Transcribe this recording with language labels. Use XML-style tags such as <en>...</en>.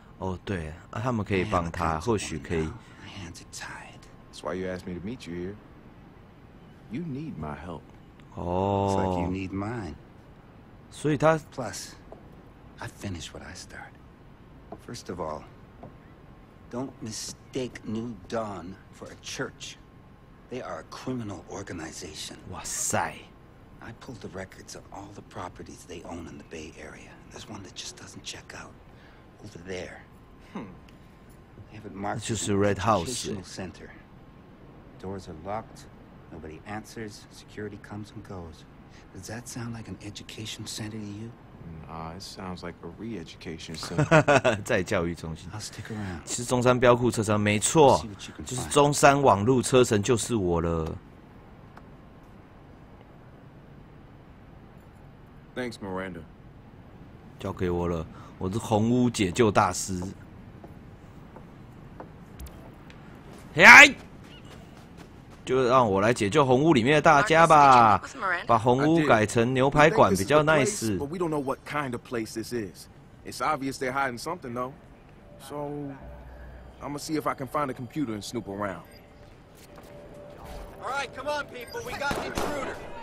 <zh>哦，对，啊，他们可以帮他，或许可以。</zh> <en>My hands are tied. That's why you asked me to meet you here. You need my help. 哦。 It's like you need mine.</en> <zh>所以他。</zh> <en>Plus, I finish what I start. First of all, don't mistake New Dawn for a church. They are a criminal organization. 哇塞 I pulled the records of all the properties they own in the Bay Area. There's one that just doesn't check out. Over there. have it marked. It's just a red house. Center. Doors are locked. Nobody answers. Security comes and goes. Does that sound like an education center to you? It sounds like a re-education center.</en> <zh>再教育中心。是中山飙酷车神，没错，就是中山网路车神，就是我了。</zh> <en>Thanks, Miranda.</en> <zh>交给我了，我是红屋解救大师。嘿、hey!。就让我来解救红屋里面的大家吧，把红屋改成牛排馆比较 nice。</zh> <en>But we don't know what kind of place this is. It's obvious they're hiding something though. So I'm gonna see if I can find a computer and snoop around. All right, come on, people, we got the intruder.</en>